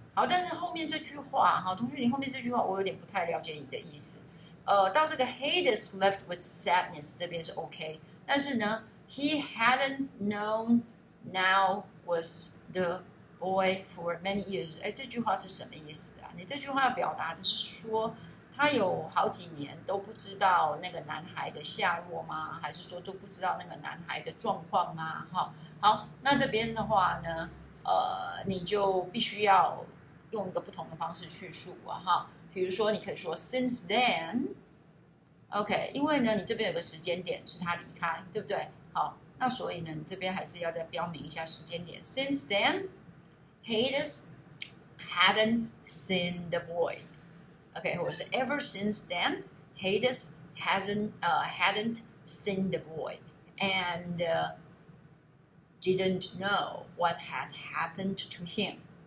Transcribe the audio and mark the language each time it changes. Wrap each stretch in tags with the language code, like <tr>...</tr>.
<zh>好，但是后面这句话，好，同学，你后面这句话，我有点不太了解你的意思。到这个</zh> <en>Hades left with sadness</en> <zh>这边是</zh> <en>OK，</en> <zh>但是呢</zh> <en>，he hadn't known now was the boy for many years。</en> <zh>哎，这句话是什么意思啊？你这句话要表达就是说，他有好几年都不知道那个男孩的下落吗？还是说都不知道那个男孩的状况吗？好，好，那这边的话呢，你就必须要。用一个不同的方式叙述啊哈，比如说你可以说</zh> <en>since then，</en> <zh>OK， 因为呢你这边有个时间点是他离开，对不对？好，那所以呢你这边还是要再标明一下时间点。</zh> <en>Since then， Hades hadn't seen the boy， OK， 或者是 ever since then， Hades hadn't seen the boy and didn't know what had happened to him。</en>